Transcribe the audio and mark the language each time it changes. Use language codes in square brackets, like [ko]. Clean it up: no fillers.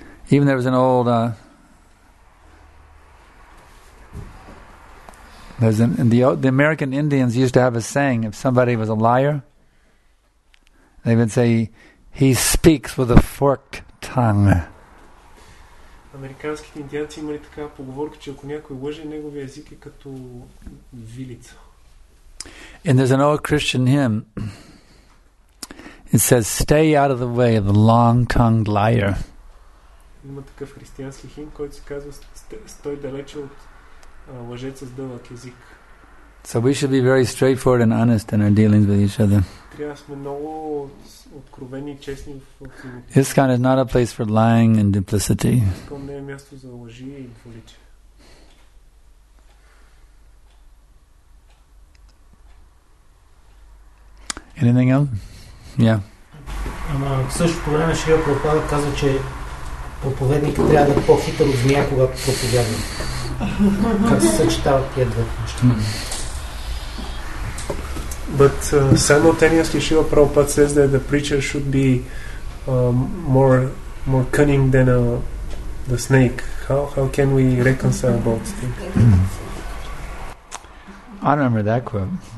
[en] Even there was an old the American Indians used to have a saying, if somebody was a liar, they would say, he speaks with a forked tongue. [bg] Американските индианци имали такава поговорка, че ако някой лъже, неговия език е като вилица. [en] And there's an old Christian hymn. It says, stay out of the way of the long-tongued liar. [bg] Има такъв християнски химн, който се казва, стой далече от лъжеца с дълъг език. [en] So we should be very straightforward and honest in our dealings with each other. [bg] Трябва да сме много откровени и честни в отношенията. [en] ISKCON is not a place for lying and duplicity. [bg] ISKCON не е място за лъжи и двуличие. [en] Anything else? Yeah. [bg] Ама в същото време Шрила Прабхупада каза, че проповедникът трябва да е по-хитър от змия, когато проповядва. Как се съчетават тия две неща? [en] But simultaneously Шрила Прабхупада says that the preacher should be more cunning than the snake. How can we reconcile both things? I remember that quote.